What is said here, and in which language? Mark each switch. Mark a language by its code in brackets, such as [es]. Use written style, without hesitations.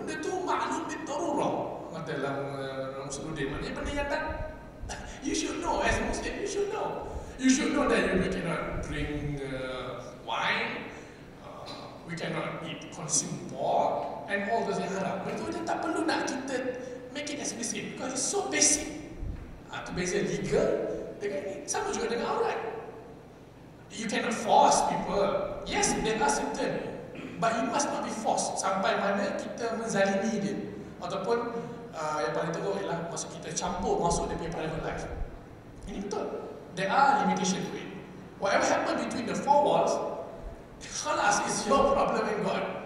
[ms] Benda tu maklum bin tarurah dalam Rasuluddin. Maksudnya benda yang tak, [en] you should know as a Muslim, you should know. You should know that we cannot drink wine, we cannot eat, consume pork, and all those [ms] yang haram. Itu dia tak perlu nak kita [en] make it explicit because it's so basic. [ms] Itu basic legal dengan ini. Sama juga dengan aurat. [en] You cannot force people. Yes, there are certain, but you must not be forced [ms] sampai mana kita menzalimi dia. Ataupun yang paling teruk ialah maksud kita campur masuk dia punya [en] private life. [ms] Ini betul. [en] There are limitations to it. Whatever happened between the four walls, [ar] khalas, [en] is your problem and God.